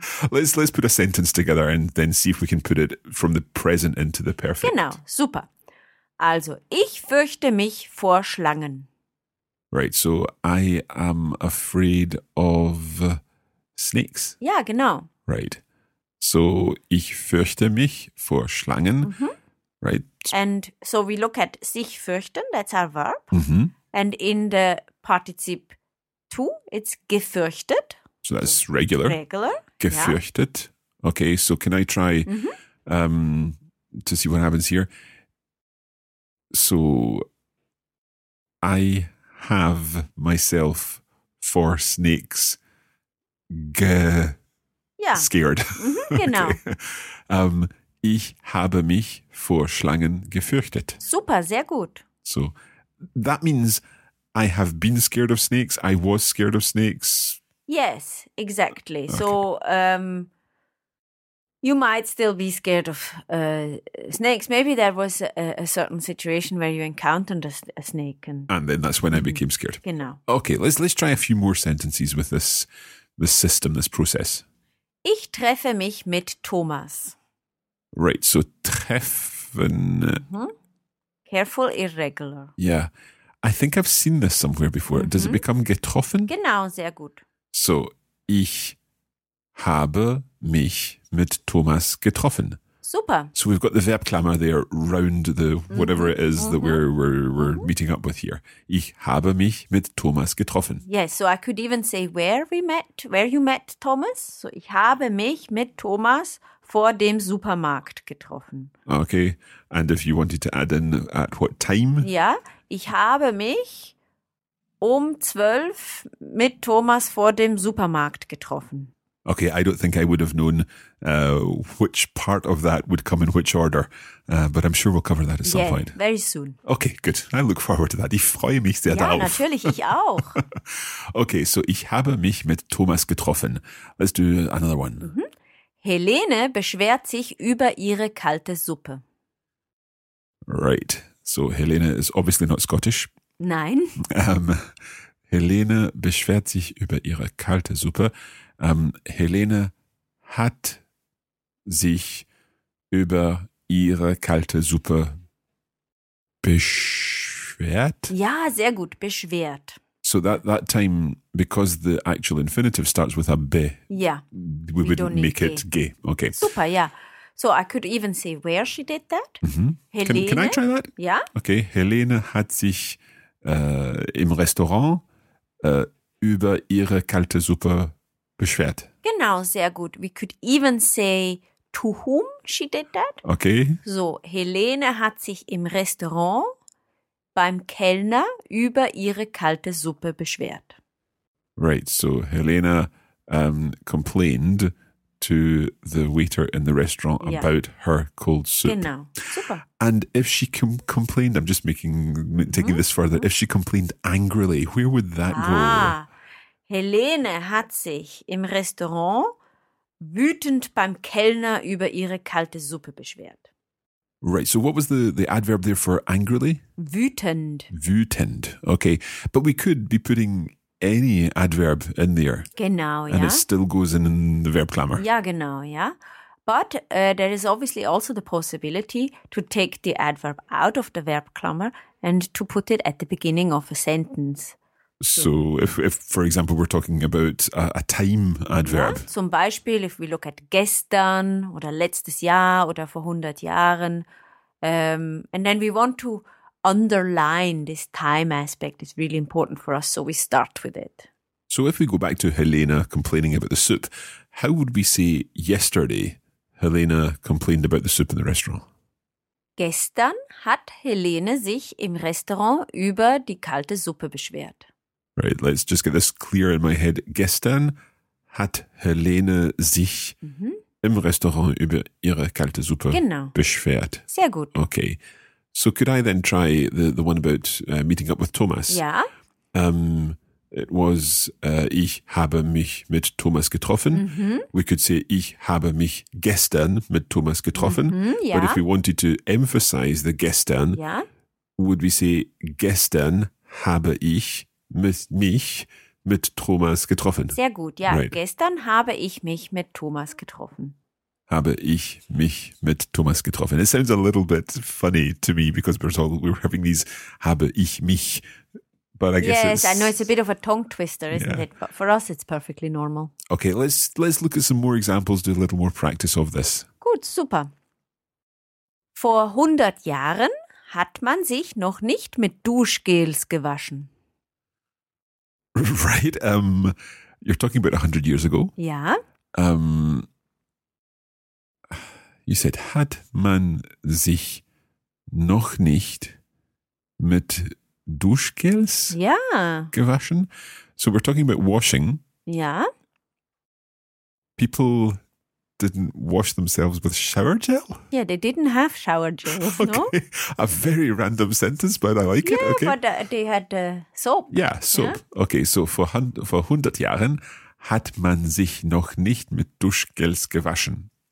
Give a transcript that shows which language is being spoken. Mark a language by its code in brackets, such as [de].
[en] let's put a sentence together and then see if we can put it from the present into the perfect. [de] Genau, super. Also, ich fürchte mich vor Schlangen. [en] Right, so I am afraid of snakes. [de] Ja, genau. [en] Right, so [de] ich fürchte mich vor Schlangen. [en] Mm-hmm. Right. And so we look at [de] sich fürchten, [en] that's our verb. Mm-hmm. And in the particip 2, it's gefürchtet. So that's so regular. Regular. [de] Gefürchtet. [en] Yeah. Okay, so can I try to see what happens here? So I have myself for snakes scared. [de] Mm-hmm, genau. [en] Okay. [de] Ich habe mich vor Schlangen gefürchtet. Super, sehr gut. [en] So that means I have been scared of snakes. I was scared of snakes. Yes, exactly. Okay. So you might still be scared of snakes. Maybe there was a certain situation where you encountered a snake. And then that's when I became scared. [de] Genau. [en] Okay, let's try a few more sentences with this system, this process. [de] Ich treffe mich mit Thomas. [en] Right, so treffen. Mm-hmm. Careful, irregular. Yeah. I think I've seen this somewhere before. Mm-hmm. Does it become getroffen? [de] Genau, sehr gut. So, ich habe mich mit Thomas getroffen. Super. [en] So we've got the Verbklammer there round the whatever it is mm-hmm. that we're mm-hmm. meeting up with here. [de] Ich habe mich mit Thomas getroffen. [en] Yes, so I could even say where you met Thomas. [de] So ich habe mich mit Thomas vor dem Supermarkt getroffen. [en] Okay, and if you wanted to add in at what time? [de] Ja, ich habe mich um 12 mit Thomas vor dem Supermarkt getroffen. [en] Okay, I don't think I would have known which part of that would come in which order, but I'm sure we'll cover that at some point. Yeah, very soon. Okay, good. I look forward to that. [de] Ich freue mich sehr darauf. Ja, natürlich, ich auch. Okay, so ich habe mich mit Thomas getroffen. [en] Let's do another one. Mm-hmm. [de] Helene beschwert sich über ihre kalte Suppe. [en] Right, so Helene is obviously not Scottish. [de] Nein. Helene beschwert sich über ihre kalte Suppe. Helene hat sich über ihre kalte Suppe beschwert. Ja, sehr gut, beschwert. [en] So that time, because the actual infinitive starts with a be, yeah, we would make it ge. Okay. Super, yeah. So I could even say where she did that. Mm-hmm. [de] Helene. [en] Can I try that? Yeah. [de] Okay, Helene hat sich im Restaurant über ihre kalte Suppe beschwert. Genau, sehr gut. [en] We could even say to whom she did that. Okay. [de] So, Helene hat sich im Restaurant beim Kellner über ihre kalte Suppe beschwert. [en] Right, so Helene complained to the waiter in the restaurant about her cold soup. [de] Genau, super. [en] And if she complained, I'm just taking this further, if she complained angrily, where would that go? [de] Helene hat sich im Restaurant wütend beim Kellner über ihre kalte Suppe beschwert. [en] Right, so what was the adverb there for angrily? [de] Wütend. Wütend, okay. [en] But we could be putting any adverb in there. [de] Genau, [en] and it still goes in the verb klammer. [de] Ja, genau, yeah. [en] But there is obviously also the possibility to take the adverb out of the verb klammer and to put it at the beginning of a sentence. So if for example, we're talking about a time adverb. [de] Ja, zum Beispiel, [en] if we look at [de] gestern oder letztes Jahr oder vor 100 Jahren. [en] And then we want to underline this time aspect. It's really important for us, so we start with it. So if we go back to Helena complaining about the soup, how would we say yesterday? Helena complained about the soup in the restaurant. [de] Gestern hat Helene sich im Restaurant über die kalte Suppe beschwert. [en] Right, let's just get this clear in my head. [de] Gestern hat Helene sich im Restaurant über ihre kalte Suppe beschwert. Sehr gut. [en] Okay. So could I then try the one about meeting up with Thomas? [de] Ja. [en] It was, [de] ich habe mich mit Thomas getroffen. Mm-hmm. [en] We could say, [de] ich habe mich gestern mit Thomas getroffen. Mm-hmm, [en] But if we wanted to emphasize the gestern, would we say, [de] gestern habe ich mich mit Thomas getroffen? Sehr gut, ja. Right. Gestern habe ich mich mit Thomas getroffen. Habe ich mich mit Thomas getroffen. [en] It sounds a little bit funny to me because we're having these habe ich mich. But I guess yes, I know it's a bit of a tongue twister, isn't it? But for us, it's perfectly normal. Okay, let's look at some more examples, do a little more practice of this. [de] Gut, super. Vor 100 Jahren hat man sich noch nicht mit Duschgels gewaschen. [en] Right, you're talking about 100 years ago. [de] Ja. [en] You said, [de] hat man sich noch nicht mit Duschgels gewaschen? [en] So we're talking about washing. Yeah. People didn't wash themselves with shower gel? Yeah, they didn't have shower gels, okay. No? A very random sentence, but I like it. Okay. But they had soap. Yeah, soap. Yeah. [de] Okay, so vor 100 Jahren hat man sich noch nicht mit Duschgels gewaschen.